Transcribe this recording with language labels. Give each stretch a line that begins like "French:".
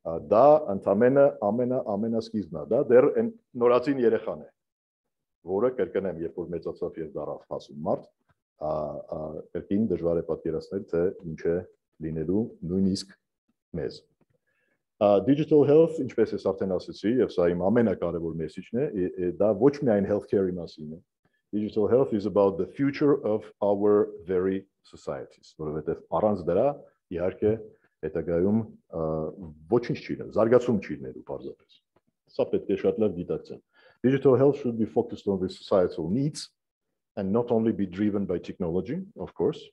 Armenian: դա ընդամենը ամենասկիզբնա, դա դեռ այն նորածին երեխան է, որը կրկնեմ, երբ որ մեծացավ եւ դարավ հասուն մարդ, երբին դժվար է պատկերացնել, թե ինչ է լինելու նույնիսկ մեզ. Digital health, ինչպես ես արդեն ասացի, եւ սա իմ ամենակարևոր մեսիջն է, դա ոչ միայն healthcare-ի մասին է.
English: Digital health is about the future of our very societies.
Armenian: Որովհետեւ առանց դրա, իհարկե, հետագայում ոչինչ չի լինի, զարգացում չի լինելու պարզապես. Սա պետք է շատ լավ դիտակցեն.
English: Digital health should be focused on the societal needs and not only be driven by technology, of course.